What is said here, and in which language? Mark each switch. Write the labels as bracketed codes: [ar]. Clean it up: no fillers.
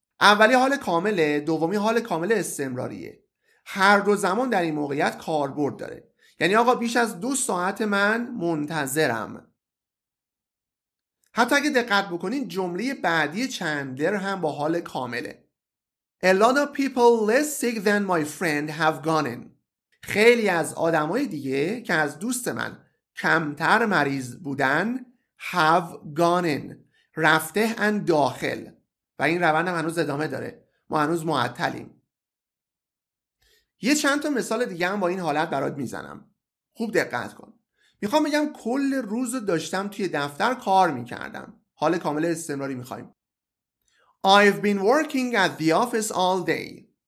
[fa] اولی حال کامله، دومی حال کامل استمراریه. هر دو زمان در این موقعیت کاربرد داره. یعنی آقا بیش از دو ساعت من منتظرم. حتی اگه دقت بکنین جمله بعدی چندلر هم با حال کامله. [en] A lot of people less sick than my friend have gone in. [fa] خیلی از آدمای دیگه که از دوست من کمتر مریض بودن [en] have gone in، [fa] رفته ان داخل. و این روند هم هنوز ادامه داره، ما هنوز معطلیم. یه چند تا مثال دیگه هم با این حالت برات میزنم، خوب دقت کن. میخوام بگم کل روز داشتم توی دفتر کار میکردم. حال کامل استمراری میخوایم. [en] I've been working at the office all day.